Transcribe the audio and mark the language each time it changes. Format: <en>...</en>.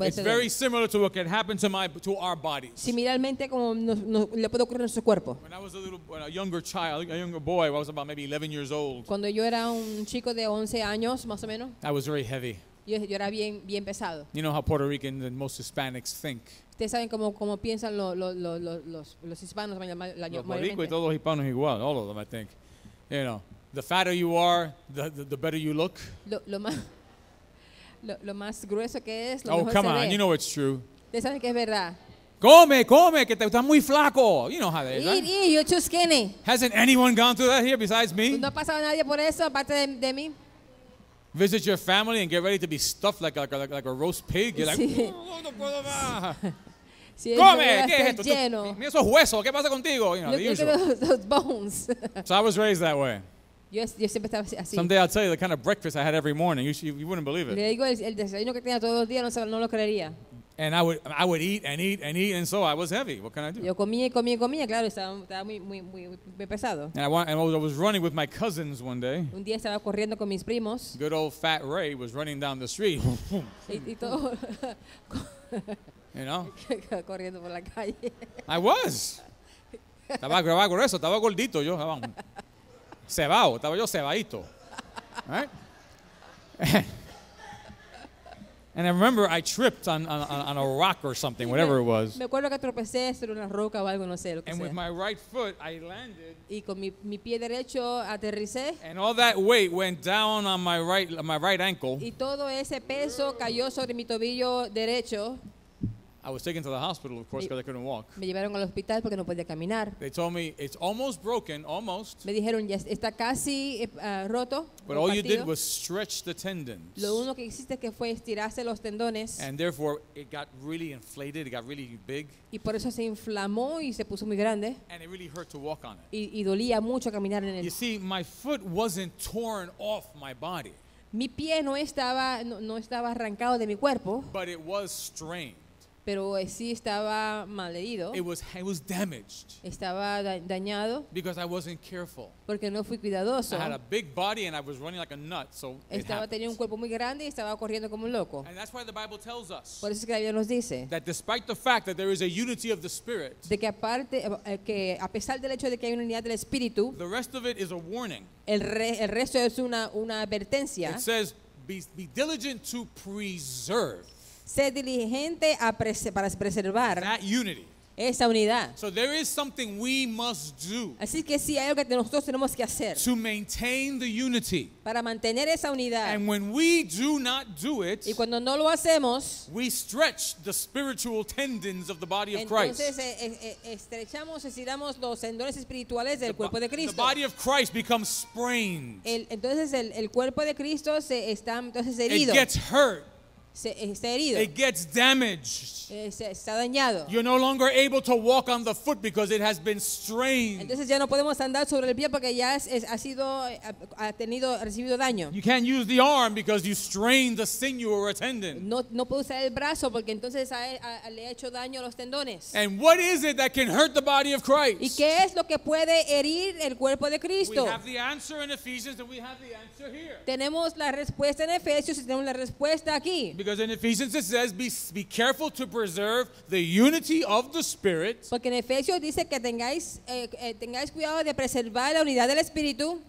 <en>It's very similar to what can happen to our bodies.</en> <es>Similarmente como le puede ocurrir a nuestro cuerpo.</es> <en>When I was a younger child, a younger boy, I was about maybe 11 years old.</en> <es>Cuando yo era un chico de 11 años más o menos.</es> <en>I was very heavy.</en> <es>Yo era bien bien pesado.</es> <en>You know how Puerto Ricans and most Hispanics think.</en> <es>Ustedes saben cómo piensan los hispanos la mayoría. Todos los hispanos igual,</es> <en>all of them, I think. You know, the fatter you are, the better you look.</en> <es>Lo más grueso que es, lo oh, mejor se</es> <en>ve. Oh, come on, you know it's true.</en> <es>Ustedes saben que es verdad. Come, que estás muy flaco.</es> <en>You know how that is. Eat, you're too skinny. Hasn't anyone gone through that here besides me?</en> <es>No ha pasado nadie por eso, aparte de mí.</es> <en>Visit your family and get ready to be stuffed like a roast pig. You're like,</en> <es>no puedo más. Come, ¿qué es esto? Mira esos huesos, ¿qué pasa contigo?</es> <en>You know, those bones. So I was raised that way.</en> <es>Yo siempre estaba así.</es> <en>Someday I'll tell you the kind of breakfast I had every morning. You wouldn't believe it.</en> <es>Le digo el desayuno que tenía todos los días, no lo creería.</es> <en>And I would eat and eat and eat, and so I was heavy. What can I do?</en> <es>Yo comía, claro, estaba muy pesado.</es> <en>And I was running with my cousins one day.</en> <es>Un día estaba corriendo con mis primos.</es> <en>Good old Fat Ray was running down the street.</en> <es>Y todo.</es> <en>You know?</en> <es>Corriendo por la calle.</es> <en>I was.</en> <es>Estaba grueso, estaba gordito yo. Cebao, estaba yo cebaito.</es> <en>Right? And I remember I tripped on a rock or something, whatever it was.</en> <es>Me acuerdo que tropecé sobre una roca o algo, no sé lo que sea.</es> <en>And with my right foot, I landed.</en> <es>Y con mi pie derecho aterricé.</es> <en>And all that weight went down on my right ankle.</en> <es>Y todo ese peso cayó sobre mi tobillo derecho.</es> <en>I was taken to the hospital, of course, because I couldn't walk.</en> <es>Me llevaron al hospital porque no podía caminar.</es> <en>They told me it's almost broken, almost.</en> <es>Me dijeron ya está casi roto.</es> <en>But all you did was stretch the tendons.</en> <es>Lo único que hiciste que fue estirarse los tendones.</es> <en>And therefore, it got really inflated. It got really big.</en> <es>Y por eso se inflamó y se puso muy grande.</es> <en>And it really hurt to walk on it.</en> <es>Y dolía mucho caminar en él.</es> <en>You see, my foot wasn't torn off my body.</en> <es>Mi pie no estaba arrancado de mi cuerpo.</es> <en>But it was strained.</en> <es>Pero sí estaba mal herido.</es> <en>It was damaged.</en> <es>Estaba dañado.</es> <en>Because I wasn't careful.</en> <es>Porque no fui cuidadoso.</es> <en>I had a big body and I was running like a nut, so</en> <es>estaba teniendo un cuerpo muy grande y estaba corriendo como un loco.</es> <en>And that's why the Bible tells us.</en> <es>Por eso es que la Biblia nos dice.</es> <en>That despite the fact that there is a unity of the spirit.</en> <es>De que aparte que a pesar del hecho de que hay una unidad del espíritu.</es> <en>The rest of it is a warning.</en> <es>El resto es una advertencia.</es> <en>It says be diligent to preserve.</en> <es>Sé diligente para preservar</es> <en>that unity.</en> <es>Esa unidad.</es> <en>So there is something we must do.</en> <es>Así que sí, hay algo que nosotros tenemos que hacer.</es> <en>To maintain the unity.</en> <es>Para mantener esa unidad.</es> <en>And when we do not do it,</en> <es>y cuando no lo hacemos,</es> <en>we stretch the spiritual tendons of the body of Christ.</en> <es>Entonces estrechamos, estiramos los tendones espirituales del cuerpo de Cristo.</es> <en>The body of Christ becomes sprained.</en> <es>Entonces el cuerpo de Cristo se está entonces herido.</es> <en>It gets hurt.</en> <es>Está</es> <en>it gets damaged.</en> <es>Está dañado.</es> <en>You're no longer able to walk on the foot because it has been strained.</en> <es>Entonces ya no podemos andar sobre el pie porque ya ha recibido daño.</es> <en>You can't use the arm because you strained the sinew or a tendon.</en> <es>No puedo usar el brazo porque entonces le ha hecho daño a los tendones.</es> <en>And what is it that can hurt the body of Christ?</en> <es>¿Y qué es lo que puede herir el cuerpo de Cristo?</es> <en>We have the answer in Ephesians and we have the answer here.</en> <es>Tenemos la respuesta en Efesios y tenemos la respuesta aquí.</es> <en>Because in Ephesians it says be careful to preserve the unity of the Spirit.</en> <es>Porque en Efesios dice que tengáis cuidado de preservar la unidad del Espíritu.</es>